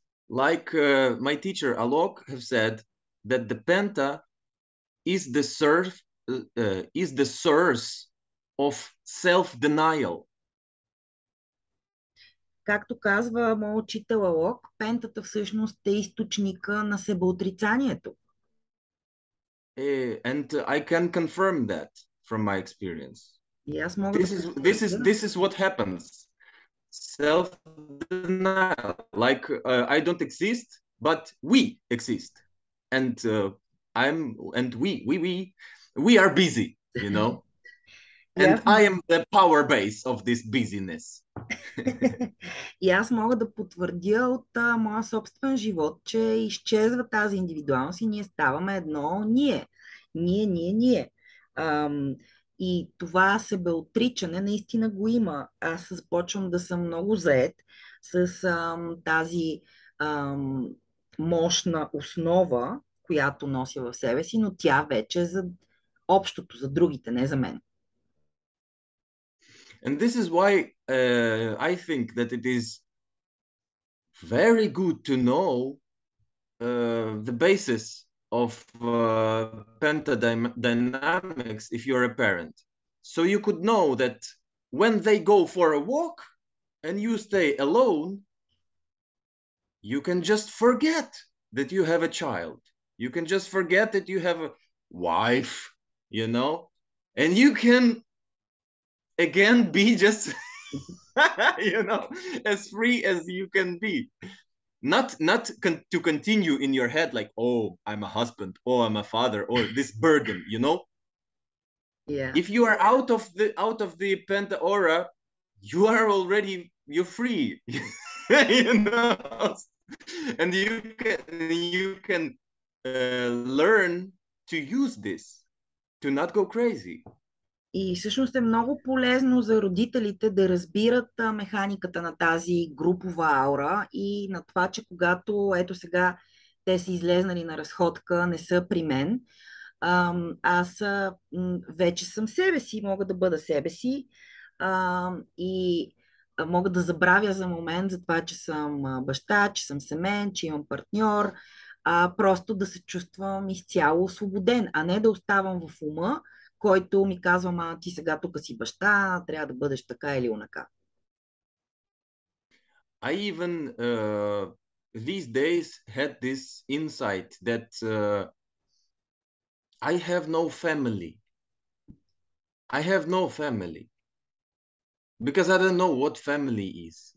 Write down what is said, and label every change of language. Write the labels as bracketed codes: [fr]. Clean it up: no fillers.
[en] Like my teacher Alok have said that the penta is the surf is the source of self-denial. [bg] Както казва моят учител Алок, пентата всъщност е източника на себеотрицанието. [en] And I can confirm that from my experience. Yes, [bg] мога [en] this is [bg] да [en] this is this is what happens. Self-denial, like I don't exist, but we exist, and I'm and we are busy, you know, and I am the power base of this busyness. [bg] И аз мога да потвърдя от моя собствен живот, че изчезва тази индивидуалност и ние ставаме едно ние. Ние, ние, ние. И това себеотричане наистина го има. Аз започвам да съм много зает с тази мощна основа, която нося в себе си, но тя вече е за общото, за другите, не за мен. [en] And this is why I think that it is very good to know the basis of pentadynamics if you're a parent. So you could know that when they go for a walk and you stay alone, you can just forget that you have a child. You can just forget that you have a wife, you know, and you can again be just you know as free as you can be, not to continue in your head like, oh, I'm a husband, oh, I'm a father, or this burden, you know. Yeah, if you are out of the penta aura, you are already, you're free. You know, and you can learn to use this to not go crazy. [bg] И всъщност е много полезно за родителите да разбират механиката на тази групова аура и на това, че когато ето сега те са излезнали на разходка, не са при мен, аз вече съм себе си, мога да бъда себе си и мога да забравя за момент за това, че съм баща, че съм семен, че имам партньор, просто да се чувствам изцяло освободен, а не да оставам в ума, който ми казва, ма ти сега тук си баща, трябва да бъдеш така или онака. [en] I even these days had this insight that I have no family. I have no family. Because I don't know what family is.